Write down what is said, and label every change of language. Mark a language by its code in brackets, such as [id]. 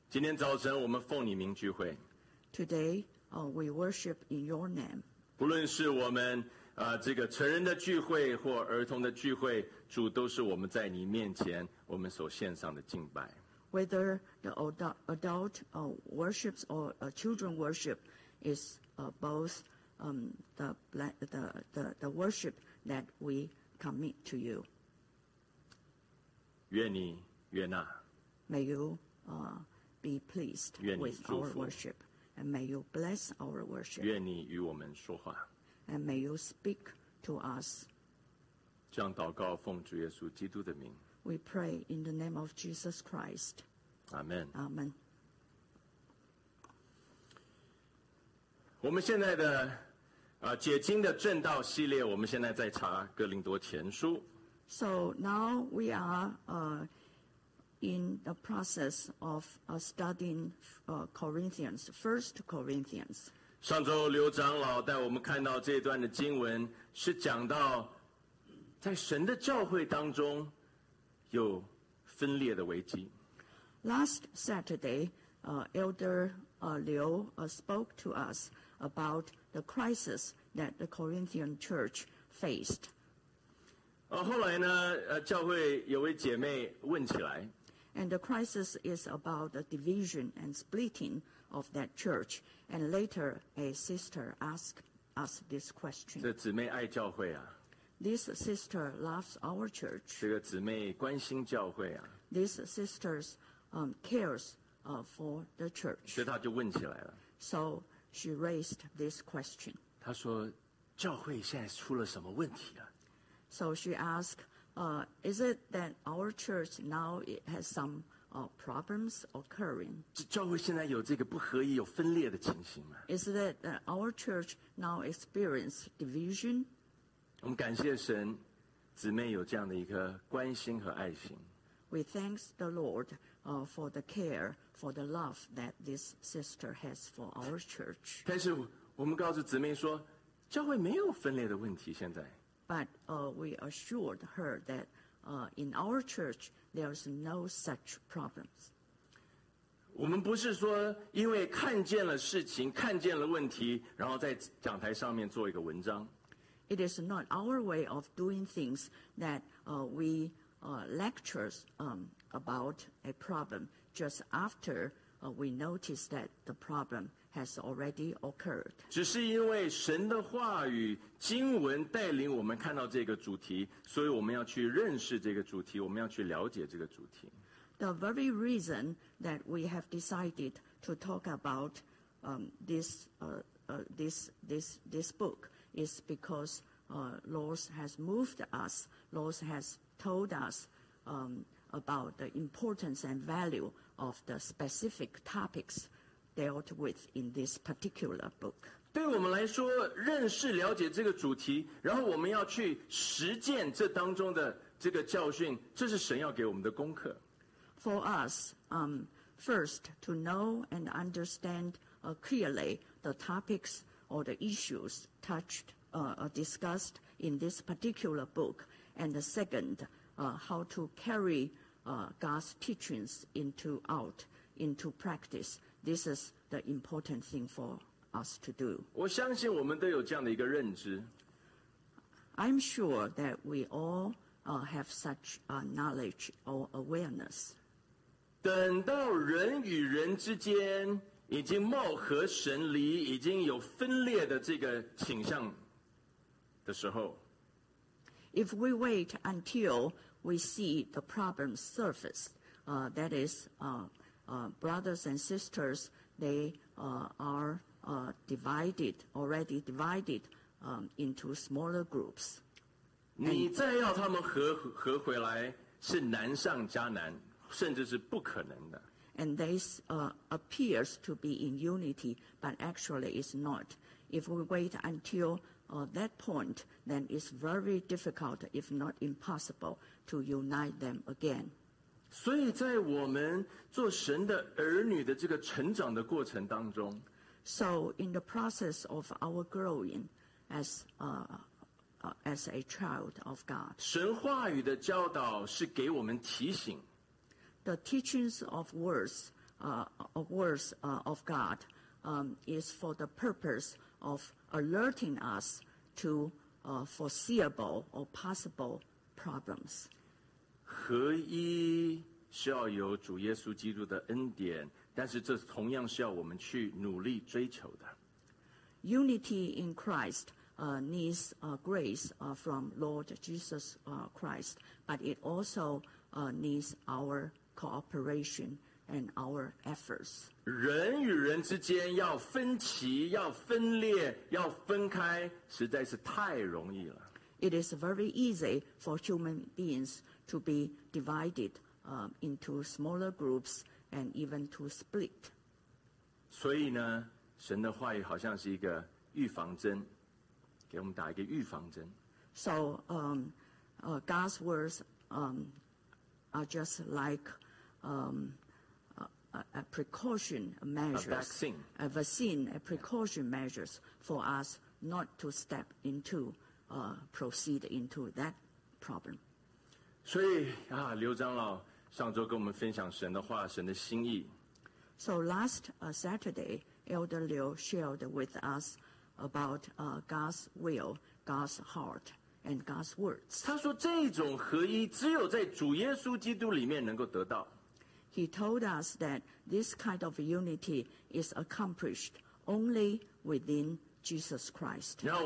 [zh] 今天早晨我们奉你名聚会。 [en] Today, we worship in your name. [zh] 不论是我们这个成人的聚会或儿童的聚会，主，都是我们在你面前我们所献上的敬拜。 [en] Whether the adult worships or children worship is both the worship that we commit to you. [zh] 愿你悦纳。 [en] May you be pleased with our worship. And may you bless our worship. [zh] 愿你与我们说话。 [en] And may you speak to us. [zh] 这样祷告奉主耶稣基督的名。 [en] We pray in the name of Jesus Christ. Amen. Amen. [zh] 我们现在的解经的正道系列，我们现在在查哥林多前书。 [en] So now we are in the process of studying Corinthians, First Corinthians. [zh] 上周刘长老带我们看到这段的经文，是讲到在神的教会当中有分裂的危机。 [en] Last Saturday, Elder Liu spoke to us about the crisis that the Corinthian church faced. [zh] 后来呢，教会有位姐妹问起来。 [en] And the crisis is about the division and splitting of that church. And later, a sister asked us this question. [zh] 这姊妹爱教会啊。 [en] This sister loves our church. [zh] 这个姊妹关心教会啊。 [en] This sister cares for the church. [zh] 所以她就问起来了。 [en] So she raised this question. [zh] 她说，教会现在出了什么问题啊？ [en] So she asked, is it that our church now has some problems occurring? [zh] 教会现在有这个不合一、有分裂的情形吗？ [en] Is it that our church now experience division? [zh] 我们感谢神，姊妹有这样的一颗关心和爱心。 [en] We thank the Lord for the care, for the love that this sister has for our church. [zh] 但是我们告诉姊妹说，教会没有分裂的问题现在。 [en] But we assured her that in our church there is no such problems. [zh] 我们不是说因为看见了事情，看见了问题，然后在讲台上面做一个文章。 [en] It is not our way of doing things that we lectures about a problem just after we notice that the problem has already occurred. [zh] 只是因为神的话语经文带领我们看到这个主题，所以我们要去认识这个主题，我们要去了解这个主题。 [en] The very reason that we have decided to talk about this book is because Lord has moved us, Lord has told us about the importance and value of the specific topics dealt with in this particular book. [zh] 对我们来说，认识了解这个主题，然后我们要去实践这当中的这个教训，这是神要给我们的功课。 [en] For us, first to know and understand clearly the topics or the issues touched discussed in this particular book, and the second, how to carry God's teachings into practice. This is the important thing for us to do. [zh] 我相信我们都有这样的一个认知。 [en] I'm sure that we all have such knowledge or awareness. [zh] 等到人与人之间已经貌合神离，已经有分裂的这个倾向的时候， [en] If we wait until we see the problem surface, that is, brothers and sisters, they are divided, already divided into smaller groups. [zh] 你再要他们合回来是难上加难，甚至是不可能的。 [en] And this appears to be in unity, but actually it's not. If we wait until that point, then it's very difficult, if not impossible, to unite them again. [zh] 所以在我们做神的儿女的这个成长的过程当中， [en] So in the process of our growing as a child of God, [zh] 神话语的教导是给我们提醒。 [en] The teachings of words, of God, is for the purpose of alerting us to foreseeable or possible problems. [zh] 合一是要有主耶稣基督的恩典，但是这同样是要我们去努力追求的。 [en] Unity in Christ needs grace from Lord Jesus Christ, but it also needs our cooperation and our efforts. [zh] 人与人之间要分歧、要分裂、要分开，实在是太容易了。 [en] It is very easy for human beings to be divided into smaller groups and even to split. [zh] 所以呢，神的话语好像是一个预防针，给我们打一个预防针。 [en] So God's words are just like a precaution measures, a vaccine, precaution measures for us not to step into, proceed into that problem. [zh] 所以啊, 刘长老, 上周跟我们分享神的话, 神的心意。 [en] So last Saturday, Elder Liu shared with us about God's will, God's heart, and God's words. [zh] 他说这种合一只有在主耶稣基督里面能够得到。 [en] He told us that this kind of unity is accomplished only within Jesus Christ.